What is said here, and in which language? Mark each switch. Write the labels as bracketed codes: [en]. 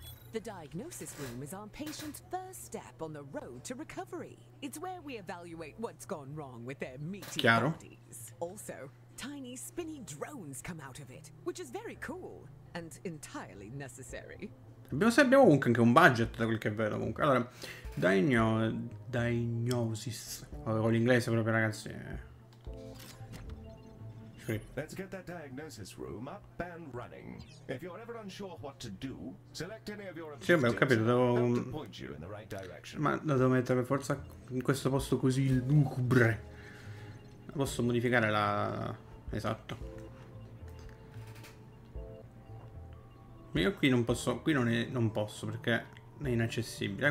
[en] The diagnosis room is our patient's first step on the road to recovery. It's where we evaluate what's gone wrong with their meaty [it] chiaro [en] bodies. Also, tiny spinny drones come out of it, which is very cool and entirely necessary. [it] Abbiamo comunque anche un budget da quel che vedo comunque. Allora, diagnosis. Con l'inglese proprio, ragazzi. [en] Let's get that diagnosis room up and running. If you're ever unsure what to do, select any of your [it] sì, beh, ho capito, devo... Ma lo devo mettere per forza in questo posto così lugubre. Posso modificare la... Esatto. Ma io qui non posso, qui non, è, non posso perché è inaccessibile.